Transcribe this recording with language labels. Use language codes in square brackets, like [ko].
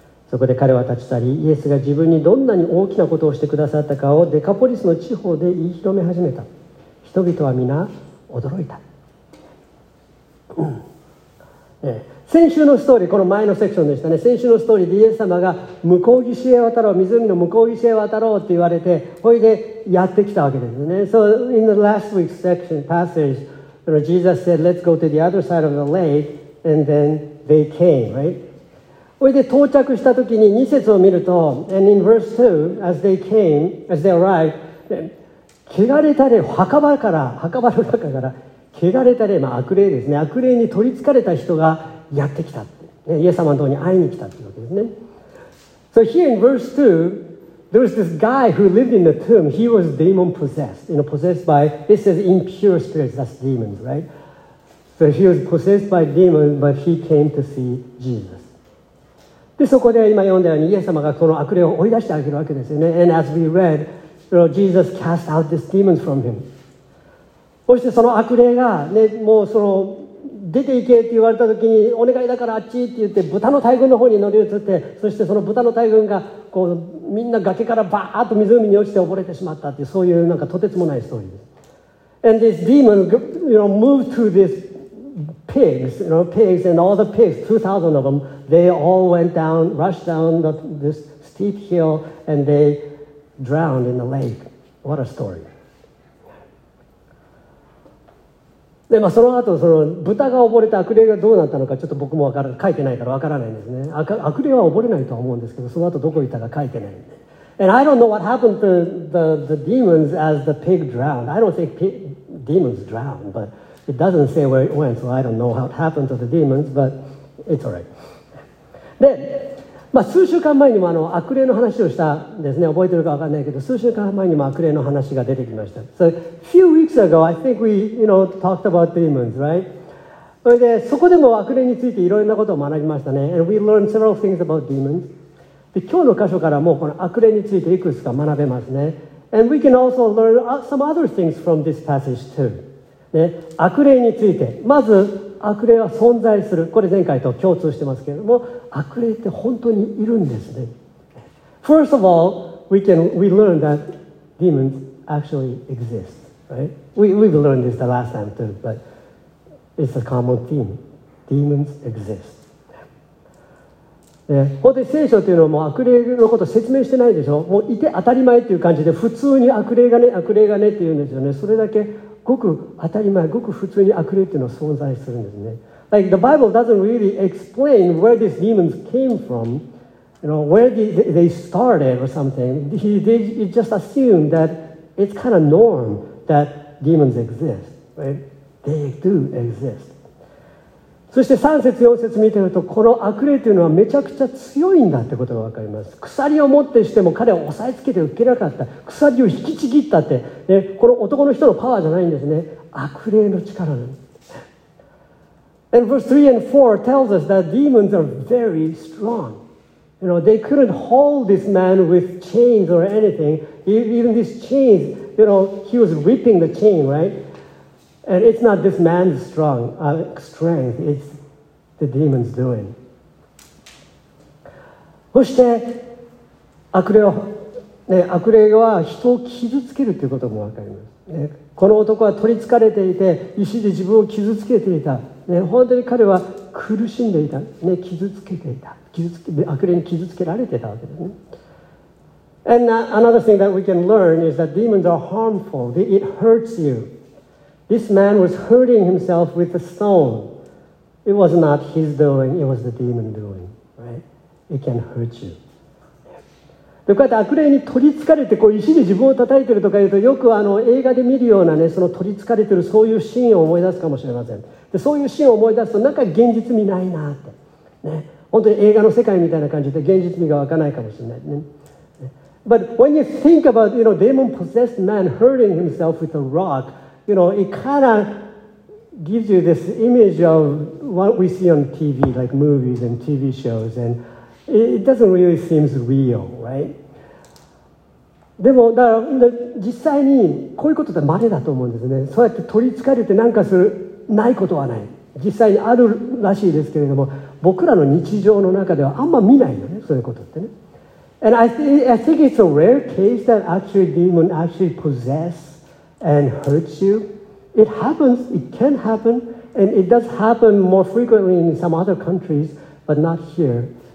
[ja] そこで彼は立ち去り、イエスが自分にどんなに大きなことをしてくださったかをデカポリスの地方で言い広め始めた。人々は皆驚いた。先週のストーリー、この前のセクションでしたね。先週のストーリーでイエス様が向こう岸へ渡ろう、湖の向こう岸へ渡ろうって言われて、ほいでやってきたわけですね。 [en] So in the last week's section passage, Jesus said, let's go to the other side of the lake, and then they came, right? [ja] それで到着したときに2節を見ると、 [en] And in verse 2, as they came, as they arrived, [ja] 汚れた霊、墓場の中から、汚れた霊、まあ、悪霊ですね、悪霊に取りつかれた人がやってきたって、ね、イエス様のところに会いに来たというわけですね。 [en] So here in verse 2, there was this guy who lived in the tomb. He was demon possessed, you know, possessed by, this is impure spirits, that's demons, right? So he was possessed by demons, but he came to see Jesus. [ja] でそこで今読んだようにイエス様がこの悪霊を追い出してあげるわけですよね。 [en] And as we read, Jesus cast out this demon from him. [ja] そしてその悪霊が、ね、もうその出て行けって言われた時にお願いだからあっちって言って豚の大群の方に乗り移って、そしてその豚の大群がこうみんな崖からバーッと湖に落ちて溺れてしまったっていう、そういうなんかとてつもないストーリーです。 [en] And this demon, you know, moved to thisPigs, you know, pigs and all the pigs, 2,000 of them, they all went down, rushed down this steep hill and they drowned in the lake. What a story. [ja] で、まあ、その後その豚が溺れて悪霊がどうなったのかちょっと僕も分からない、書いてないから分からないんですね。悪霊は溺れないとは思うんですけど、その後どこ行ったか書いてない。 [en] And I don't know what happened to the demons as the pig drowned. I don't think demons drowned, butIt doesn't say where it went, so I don't know what happened to the demons, but it's alright. [ja] で、まあ、数週間前にもあの悪霊の話をしたんですね。覚えてるか分かんないけど、数週間前にも悪霊の話が出てきました。 [en] So, a few weeks ago, I think we, you know, talked about demons, right? [ja] それで、そこでも悪霊についていろんなことを学びましたね。 [en] And we learned several things about demons. [ja] で、今日の箇所からもこの悪霊についていくつか学べますね。 [en] And we can also learn some other things from this passage too. [ja] ね、悪霊について、まず悪霊は存在する、これ前回と共通してますけれども、悪霊って本当にいるんですね。 [en] First of all, we learn that demons actually exist, right? We've learned this the last time too, but it's a common theme. Demons exist. [ja] 本当に聖書というのはもう悪霊のことを説明してないでしょ。もういて当たり前という感じで、普通に悪霊がね、悪霊がねって言うんですよね。それだけごく当たり前、ごく普通に悪霊というのは存在するんですね。 [en] Like the Bible doesn't really explain where these demons came from, you know, where they started or something. They just assume that it's kind of norm that demons exist, right? They do exist. [ja] そして3節4節見てると、この悪霊というのはめちゃくちゃ強いんだってことがわかります。鎖を持ってしても彼を押さえつけて受けなかった。鎖を引きちぎったって、ね、この男の人のパワーじゃないんですね。悪霊の力なんです。 [en] And verse 3 and 4 tells us that demons are very strong. You know, they couldn't hold this man with chains or anything. Even these chains, you know, he was ripping the chain, right? And it's not this man's strength, it's the demon's doing. [ja] そして悪霊は人を傷つけるということもわかります。ね、この男は取り憑かれていて、石で自分を傷つけていた。ね、本当に彼は苦しんでいた、ね、傷つけていた、悪霊に傷つけられていたわけですね。 [en] And another thing that we can learn is that demons are harmful. It hurts you. This man was hurting himself with a stone. It was not his doing, it was the demon doing, right? It can hurt you. [ja] でこうやって悪霊に取り憑かれて、こう石で自分を叩いてるとかいうと、よくあの映画で見るようなね、その取り憑かれてるそういうシーンを思い出すかもしれません。でそういうシーンを思い出すと、なんか現実味ないなって、ね、本当に映画の世界みたいな感じで現実味が湧かないかもしれないね。 [en] But when you think about, you know, demon possessed man hurting himself with a rock, you know, it kind of gives you this image of what we see on TV, like movies and TV shows, andIt doesn't really seem real, right? [ja] でもだから実際にこういうことってまれだと思うんですね。そうやって取り憑かれてなんかするないことはない、実際にあるらしいですけれども、僕らの日常の中ではあんま見ないよね、そういうことってね。 [en] And I think it's a rare case that actually demon actually possess and hurts you. It happens, it can happen, and it does happen more frequently in some other countries, but not hereRight?